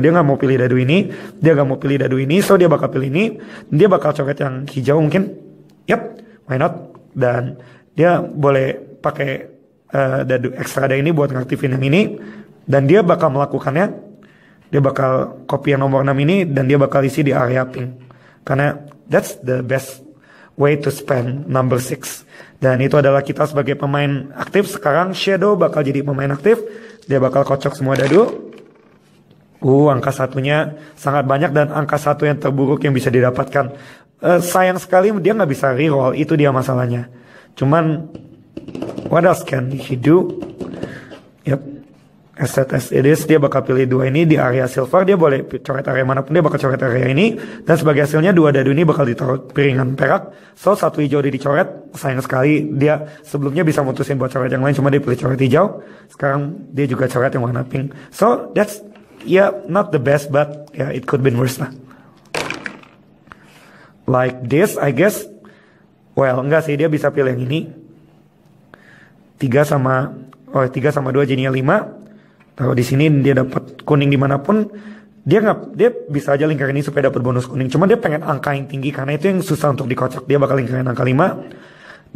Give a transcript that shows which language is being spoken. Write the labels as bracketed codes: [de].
[id] Dia gak mau pilih dadu ini. Dia gak mau pilih dadu ini. So, dia bakal pilih ini. Dia bakal coret yang hijau mungkin. [en] Yep, why not? [id] Dan dia boleh pakai dadu extra day ini buat ngaktifin yang ini. Dan dia bakal melakukannya. Dia bakal copy yang nomor 6 ini. Dan dia bakal isi di area pink. Karena... [en] that's the best way to spend number 6. [id] Dan itu adalah kita sebagai pemain aktif. Sekarang Shadow bakal jadi pemain aktif. Dia bakal kocok semua dadu. Angka satunya sangat banyak. Dan angka satu yang terburuk yang bisa didapatkan. Sayang sekali dia gak bisa reroll. Itu dia masalahnya. Cuman, [en] what else can he do? Yep. As set as it is, [id] dia bakal pilih dua ini di area silver. Dia boleh coret area manapun, dia bakal coret area ini. Dan sebagai hasilnya, dua dadu ini bakal ditaruh piringan perak. So, satu hijau dia dicoret. Sayang sekali, dia sebelumnya bisa mutusin buat coret yang lain, cuma dia pilih coret hijau. Sekarang, dia juga coret yang warna pink. [en] So, that's, yeah, not the best, but yeah, it could be worse lah. Like this, I guess. [id] Well, enggak sih, dia bisa pilih yang ini. Tiga sama dua jadinya lima. Kalau di sini dia dapat kuning dimanapun, dia bisa aja lingkar ini supaya dapat bonus kuning. Cuma dia pengen angka yang tinggi karena itu yang susah untuk dikocok. Dia bakal lingkarin angka 5.